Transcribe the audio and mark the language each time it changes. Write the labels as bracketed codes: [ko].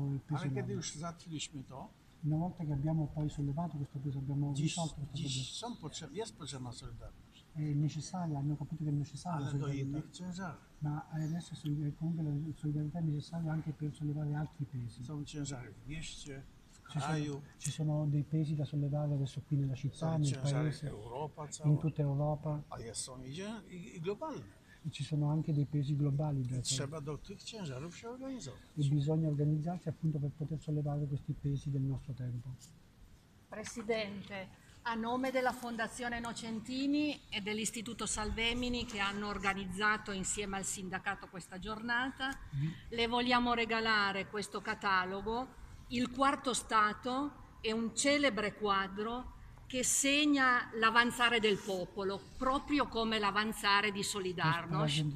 [pl] ma kiedy już zatrzymaliśmy to, [it] una volta che abbiamo poi sollevato questo peso, abbiamo risolto questo peso. [pl] Jest potrzebna solidarność. [it] È necessaria, hanno capito che è necessaria. [pl] Ma do innych ciężarów. [it] Ma adesso comunque la solidarietà è necessaria anche per sollevare altri pesi. [pl] Są ciężary w mieście, w kraju. [it] Ci sono dei pesi da sollevare adesso qui nella città, nel paese, in tutta Europa. A sono i globali. E ci sono anche dei pesi globali. [pl] Trzeba do tych ciężarów się organizować. [it] E bisogna organizzarsi appunto per poter sollevare questi pesi del nostro tempo. Presidente, a nome della Fondazione Nocentini e dell'Istituto Salvemini che hanno organizzato insieme al sindacato questa giornata, le vogliamo regalare questo catalogo, Il Quarto Stato è un celebre quadro che segna l'avanzare del popolo, proprio come l'avanzare di Solidarność.